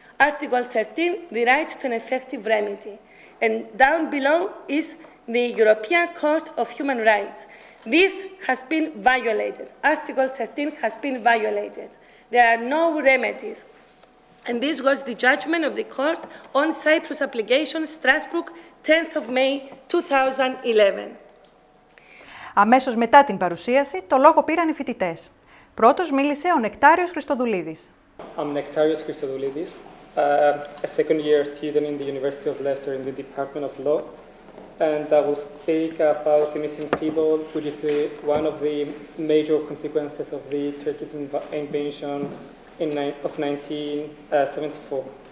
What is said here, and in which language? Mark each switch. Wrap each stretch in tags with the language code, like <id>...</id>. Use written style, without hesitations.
<en>Article 13, the right to an effective remedy. And down below is the European Court of Human Rights. This has been violated. Article 13 has been violated. There are no remedies. And this was the judgment of the court on Cyprus application, Strasbourg, 10th of May, 2011.</en> <el>Αμέσως μετά την παρουσίαση, το λόγο πήραν οι φοιτητές. Πρώτος μίλησε ο Νεκτάριος Χριστοδουλίδης.</el> <en>I'm Nectarios Christodoulidis, a second year student in the University of Leicester in the Department of Law. And I will speak about the missing people, which is one of the major consequences of the Turkish invasion of 1974.</en>